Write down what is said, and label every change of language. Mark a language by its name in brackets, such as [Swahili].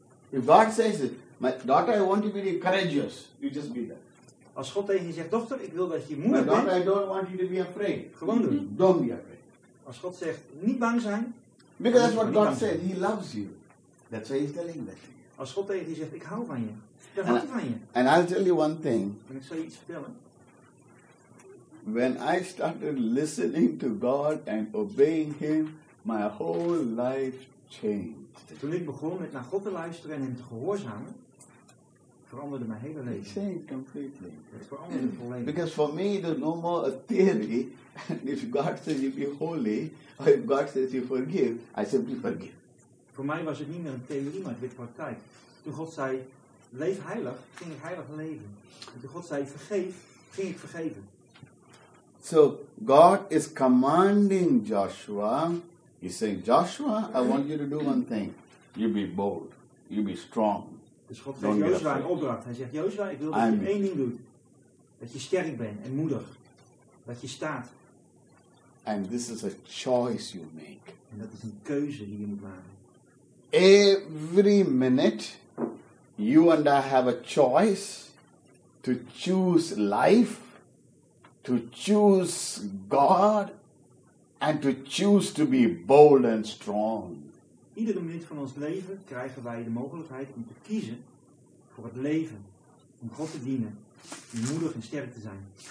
[English] If God says it, my daughter, I want you to be courageous. You just be there. [Dutch] Als God tegen je zegt, dochter, ik wil dat je moedig bent. [English] My daughter, I don't want you to be afraid. [Dutch] Gewoon doen. Mm-hmm. [English] Don't be afraid. [Dutch] Als God zegt, niet bang zijn. [English] Because that's what God said. He loves you. That's why he's telling that. [Dutch] Als God tegen je zegt, ik hou van je. Dan houdt hij van je. [English] And I'll tell you one thing. [Dutch] En ik zal je iets vertellen. [English] When I started listening to God and obeying him, my whole life changed. [Dutch] Toen ik begon met naar God te luisteren en hem te gehoorzamen, veranderde mijn hele leven. [English] It changed completely. [Dutch] Het veranderde volledig. [English] Because for me, there's no more a theory. If God says you be holy, or if God says you forgive, I simply forgive. [Dutch] Voor mij was het niet meer een theorie, maar het werd praktijk. Toen God zei, leef heilig, ging ik heilig leven. En toen God zei, vergeef, ging ik vergeven. [English] So, God is commanding Joshua. He's saying, Joshua, I want you to do one thing. You be bold. You be strong. [Dutch] Dus God geeft Joshua een opdracht. Hij zegt, Joshua, ik wil dat je één ding doet. Dat je sterk bent en moedig. Dat je staat. [English] And this is a choice you make. [Dutch] En dat is een keuze die je moet maken. [English] Every minute, you and I have a choice to choose life, to choose God, and to choose to be bold and strong. [Dutch] Iedere minuut van ons leven krijgen wij de mogelijkheid om te kiezen voor het leven, om God te dienen, om moedig en sterk te zijn.